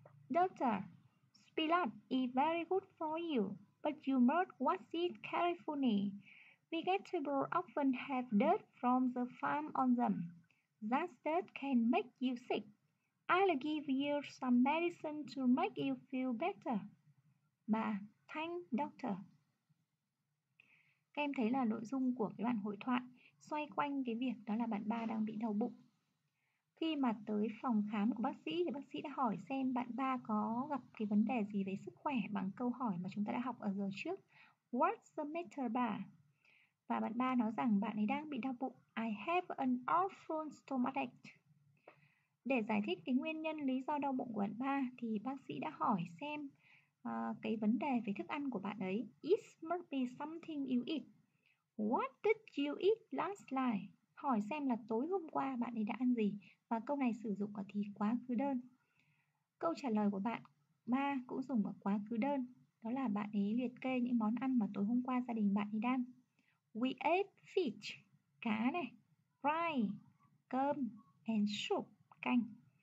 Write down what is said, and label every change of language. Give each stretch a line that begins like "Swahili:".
English: Doctor, pilaf is very good for you, but you must wash it carefully. Vegetables often have dirt from the farm on them. That dirt can make you sick. I'll give you some medicine to make you feel better. Ba, thank doctor.
Vietnamese: Các em thấy là nội dung của cái bản hội thoại xoay quanh cái việc đó là bạn ba đang bị đau bụng. Khi mà tới phòng khám của bác sĩ thì bác sĩ đã hỏi xem bạn ba có gặp cái vấn đề gì về sức khỏe bằng câu hỏi mà chúng ta đã học ở giờ trước.
English: What's the matter, ba?
Vietnamese: Và bạn ba nói rằng bạn ấy đang bị đau bụng.
English: I have an awful stomachache.
Vietnamese: Để giải thích cái nguyên nhân lý do đau bụng của bạn ba thì bác sĩ đã hỏi xem cái vấn đề về thức ăn của bạn ấy.
English: It must be something you eat. What did you eat last night?
Vietnamese: Hỏi xem là tối hôm qua bạn ấy đã ăn gì. Và câu này sử dụng ở thì quá khứ đơn. Câu trả lời của bạn ba cũng dùng ở quá khứ đơn. Đó là bạn ấy liệt kê những món ăn mà tối hôm qua gia đình bạn ấy ăn.
English: We ate fish,
Vietnamese: cá này,
English: rice,
Vietnamese: cơm,
English: and soup,
Vietnamese: canh.